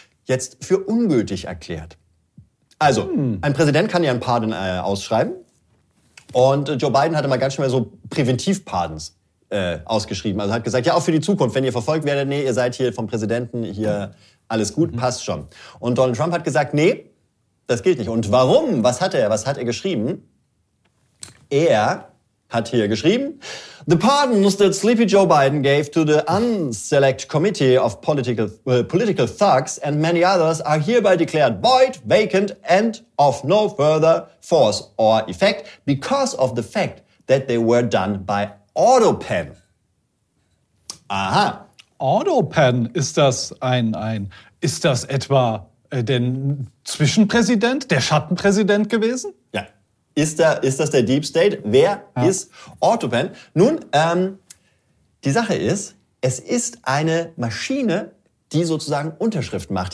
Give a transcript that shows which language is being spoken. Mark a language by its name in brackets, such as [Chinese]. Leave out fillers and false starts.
[German] jetzt für ungültig erklärt. Also, ein Präsident kann ja einen Pardon ausschreiben. Und Joe Biden hatte mal ganz schnell so Präventivpardons ausgeschrieben. Also hat gesagt, ja, auch für die Zukunft, wenn ihr verfolgt werdet, nee, ihr seid hier vom Präsidenten hier, alles gut, passt schon. Und Donald Trump hat gesagt, nee, das gilt nicht. Und warum? Was hat er? Was hat er geschrieben? Er hat hier geschrieben, [English] the pardons that Sleepy Joe Biden gave to the Unselect Committee of Political Thugs and many others are hereby declared void, vacant and of no further force or effect because of the fact that they were done by AutoPen. [German] Aha. AutoPen, ist das ein ist das etwa der Zwischenpräsident, der Schattenpräsident gewesen? Ja. Ist das der Deep State? Wer ist AutoPen? Nun, die Sache ist, es ist eine Maschine, die sozusagen Unterschriften macht.